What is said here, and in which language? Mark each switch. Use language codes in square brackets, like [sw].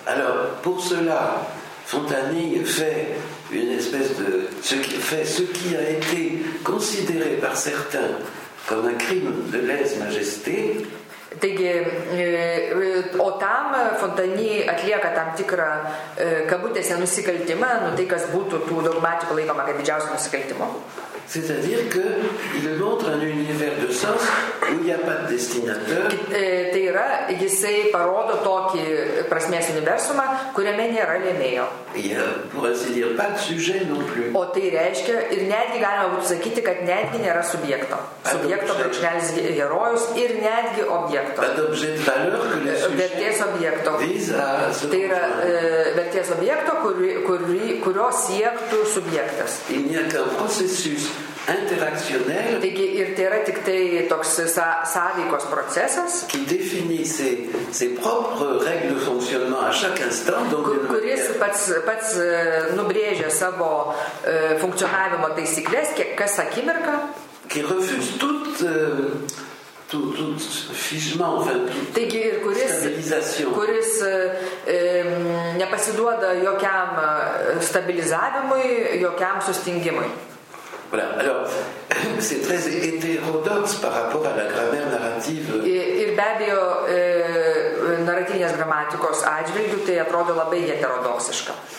[fr] Alors, pour cela, Fontanille fait une espèce de ce qui a été considéré par certains comme un crime de lèse-majesté. [lt] Taigi, o tam Fontanille atlieka tam tikrą kabutėse nusikaltimą, nu tai kas būtų tų dogmatikų laikoma kaip didžiausio nusikaltimo. [fr] C'est-à-dire que il montre un univers de sens où il n'y a pas de destinateur. [lt] Tai yra, jisai parodo tokį prasmės universumą, kuriame nėra lėmėjo. [fr] Pour ainsi dire, pas de sujet non plus. [lt] O tai reiškia, ir netgi galima būtų sakyti, kad netgi nėra subjekto. Subjekto brūkšnelis herojus ir netgi objekto. [fr] Pas d'objet de valeur que le sujet. [lt] Vertės objekto. Tai yra vertės objekto, kurio siektų subjektas. [fr] Il n'y a qu'un processus interactionnel. [lt] Taigi, ir tai yra tik tai toks sąveikos procesas, [fr] qui définit ses propres règles de fonctionnement à chaque instant, donc [lt] kuris pats nubrėžia savo funkcionavimo taisyklės, kas akimirka, [fr] qui refuse tout figement, enfin, [lt] taigi, ir kuris, stabilisation. Kuris nepasiduoda jokiam stabilizavimui, jokiam sustingimui. [fr] Voilà. Alors, c'est très hétérodoxe par rapport à la grammaire narrative. [lt] Ir be abejo, naratyvinės gramatikos atžvilgiu tai atrodo labai heterodoksiška.